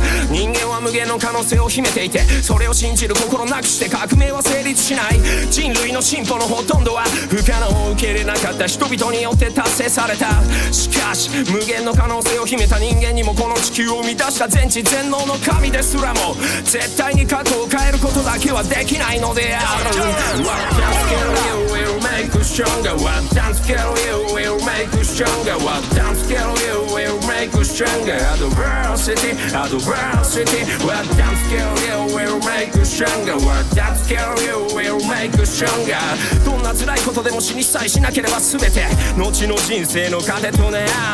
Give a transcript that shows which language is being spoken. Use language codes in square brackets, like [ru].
[ja] 人間は無限の可能性を秘めていて、それを信じる心なくして革命は成立しない。人類の進歩のほとんどは不可能を受け入れなかった人々によって達成された。しかし無限の可能性を秘めた人間にも、この地球を生み出した全知全能の神ですらも、絶対に過去を変えることだけはできないのである。 [en] What can't kill you will make you stronger. What can't kill you will make you stronger. What can't kill you will make you stronger. Adversity, adversity. What can't kill you will make you stronger. What can't kill you will make you stronger. [ja] どんな辛いことでも死にさえしなければ、全て後の人生の糧となる。